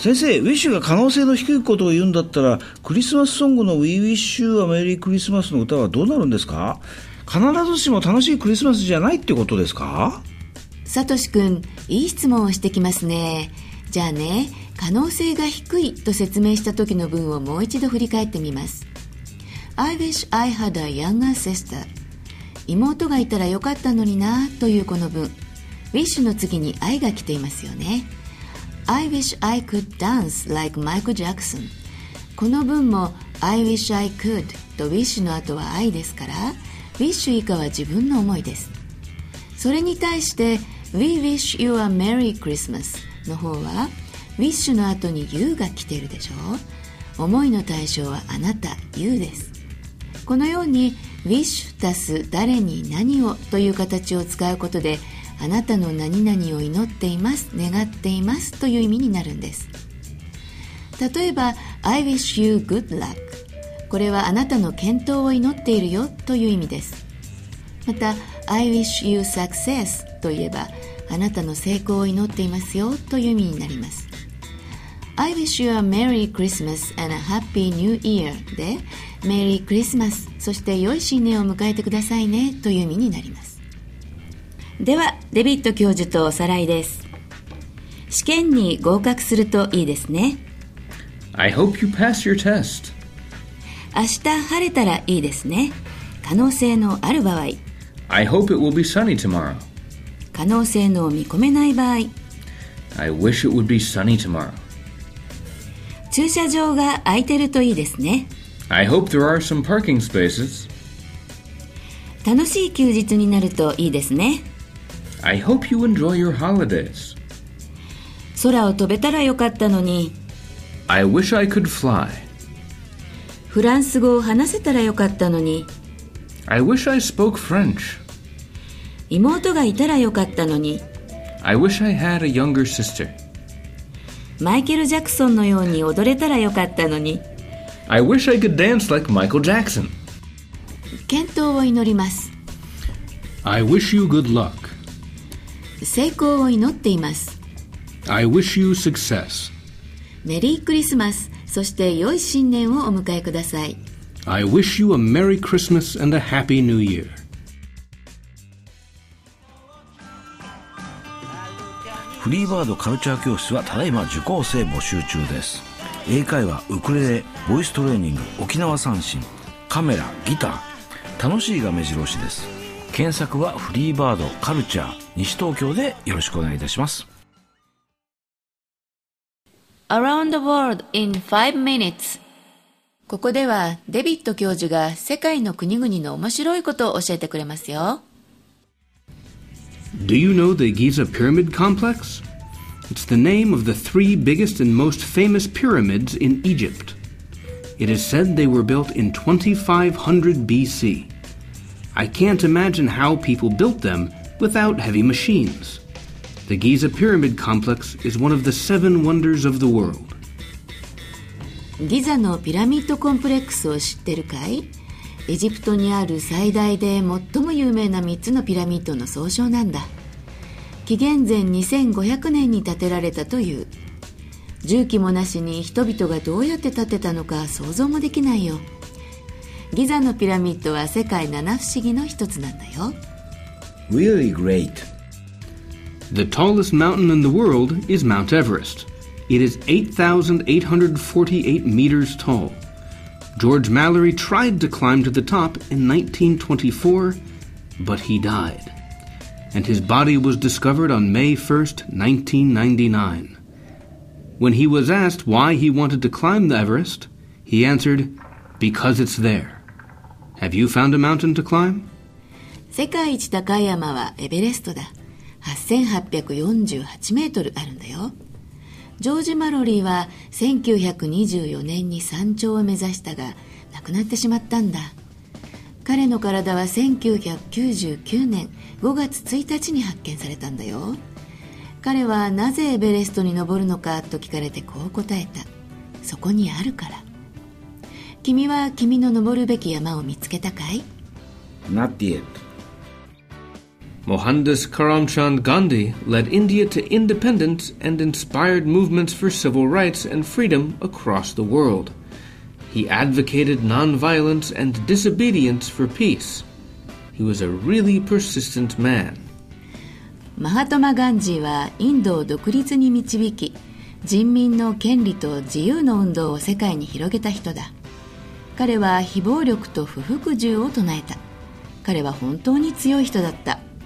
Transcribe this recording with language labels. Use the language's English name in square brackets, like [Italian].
[Japanese] 先生、ウィッシュが可能性の低いことを言うんだったら、クリスマスソングの [English] We Wish You a Merry Christmas [Japanese] の歌はどうなるんですか？必ずしも楽しいクリスマスじゃないってことですか？サトシ君、いい質問をしてきますね。じゃあね、可能性が低いと説明した時の文をもう一度振り返ってみます。 [English] I wish I had a younger sister。 [Japanese] 妹がいたらよかったのになというこの文、 Wish の次に I が来ていますよね。 [English] I wish I could dance like Michael Jackson。 [Japanese] この文も [English] I wish I could [Japanese] と wish の後は I ですから、 wish 以下は自分の思いです。それに対して [English] We wish you a Merry Christmas [Japanese] の方は wish の後に you が来てるでしょ。思いの対象はあなた、 you です。このように wish 足す誰に何をという形を使うことで、あなたの何々を祈っています、願っていますという意味になるんです。 [English] 例えば、I wish you good luck。 [Japanese] これはあなたの健闘を祈っているよという意味です。また、 [English] I wish you success [Japanese] といえば、あなたの成功を祈っていますよという意味になります。 [English] I wish you a Merry Christmas and a Happy New Year [Japanese] で、メリークリスマス、そして良い新年を迎えてくださいねという意味になります。ではデビット教授とおさらいです。試験に合格するといいですね。 [English] I hope you pass your test。 [Japanese] 明日晴れたらいいですね。可能性のある場合、 [English] I hope it will be sunny tomorrow。 [Japanese] 可能性の見込めない場合、 [English] I wish it would be sunny tomorrow。 [Japanese] 駐車場が空いてるといいですね。 [English] I hope there are some parking spaces。 [Japanese] 楽しい休日になるといいですね。 [English] I hope you enjoy your holidays. [Japanese] 空を飛べたらよかったのに。 [English] I wish I could fly. [Japanese] フランス語を話せたらよかったのに。 [English] I wish I spoke French. [Japanese] 妹がいたらよかったのに。 [English] I wish I had a younger sister. [Japanese] マイケル・ジャクソンのように踊れたらよかったのに。 [English] I wish I could dance like Michael Jackson. [Japanese] 健闘を祈ります。 [English] I wish you good luck. [Japanese] 成功を祈っています。 [English] I wish you success。 [Japanese] メリークリスマス、そして良い新年をお迎えください。 [English] I wish you a Merry Christmas and a Happy New Year。 [Japanese] フリーバードカルチャー教室はただいま受講生募集中です。英会話、ウクレレ、ボイストレーニング、沖縄三線、カメラ、ギター、楽しいが目白押しです。検索はフリーバードカルチャー西東京でよろしくお願いいたします。 [English] Around the world in 5 minutes。 [Japanese] ここではデビット教授が世界の国々の面白いことを教えてくれますよ。 [English] Do you know the Giza Pyramid Complex? It's the name of the three biggest and most famous pyramids in Egypt. It is said they were built in 2500 BC. I can't imagine how people built them without heavy machines. The Giza Pyramid Complex is one of the seven wonders of the world. [Japanese] ギザのピラミッドコンプレックスを知ってるかい？エジプトにある最大で最も有名な3つのピラミッドの総称なんだ。紀元前2500年に建てられたという。重機もなしに人々がどうやって建てたのか想像もできないよ。ギザのピラミッドは世界七不思議の一つなんだよ。 [English] Really great. The tallest mountain in the world is Mount Everest. It is 8,848 meters tall. George Mallory tried to climb to the top in 1924, but he died. And his body was discovered on May 1st, 1999. When he was asked why he wanted to climb the Everest, he answered, because it's there. Have you found a mountain to climb? [Japanese] 世界一高い山はエベレストだ。8,848 メートルあるんだよ。ジョージ・マロリーは1924年に山頂を目指したが、亡くなってしまったんだ。彼の体は1999年5月1日に発見されたんだよ。彼はなぜエベレストに登るのかと聞かれてこう答えた。そこにあるから。君は君の登るべき山を見つけたかい？ [English] Not yet. Mohandas Karamchand Gandhi led India to independence and inspired movements for civil rights and freedom across the world. He advocated non-violence and disobedience for peace. He was a really persistent man. [Japanese] マハトマ・ガンジーはインドを独立に導き、人民の権利と自由の運動を世界に広げた人だ。彼は非暴力と不服従を唱えた。彼は本当に強い人だった。